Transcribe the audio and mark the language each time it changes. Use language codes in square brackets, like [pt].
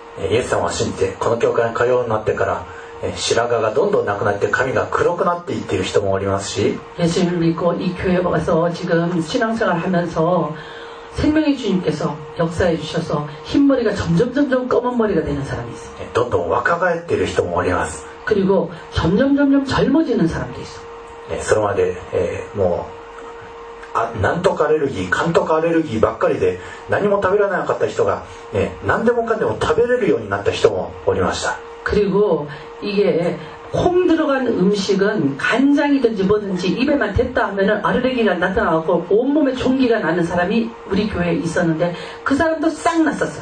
[ja] イエス様を信じてこの教会に通うようになってから白髪がどんどんなくなって髪が黒くなっていっている人もおりますし、 [ko] 예수님을믿고이교회에와서지금신앙생활하면서 생명의주님께서역사해주셔서흰머리가점점점점검은머리가되는사람이있어요 [ja] どんどん若返ってる人もおります。 [ko] 그리고점점점점젊어지는사람도있어 [ja] 요それまで、もうあ、なんとかアレルギー、かんとかアレルギーばっかりで何も食べられなかった人が、ね、何でもかんでも食べれるようになった人もおりました。 [ko] 그리고이게콩들어간음식은간장이든지뭐든지입에만댔다하면은아르레기가나타나고온몸에종기가나는사람이우리교회에있었는데그사람도싹났었어